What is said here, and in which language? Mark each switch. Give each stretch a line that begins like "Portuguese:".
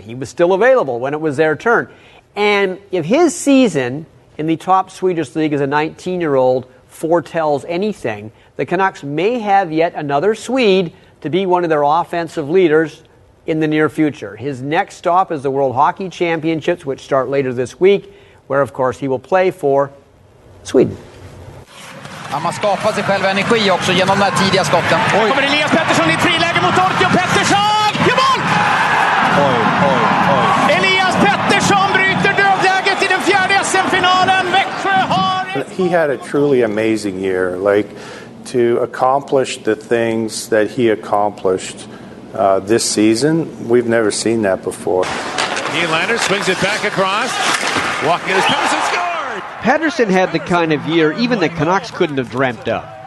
English: He was still available when it was their turn. And if his season in the top Swedish league as a 19-year-old foretells anything, the Canucks may have yet another Swede to be one of their offensive leaders in the near future. His next stop is the World Hockey Championships, which start later this week, where, of course, he will play for Sweden.
Swedish: Han har skapat sig själv energi också genom den tidiga skotten. Oj. Kommer Elias Pettersson i friläge mot Ortio och Pettersson! Ja, mål! Oj. Elias Pettersson bryter dödläget i den fjärde SM-finalen. Växjö har...
English: He had a truly amazing year. Like, to accomplish the things that he accomplished this season, we've never seen that before. Nylander swings it back across. Walking his Pettersson score! Pettersson had the kind of year even the Canucks couldn't have dreamt of.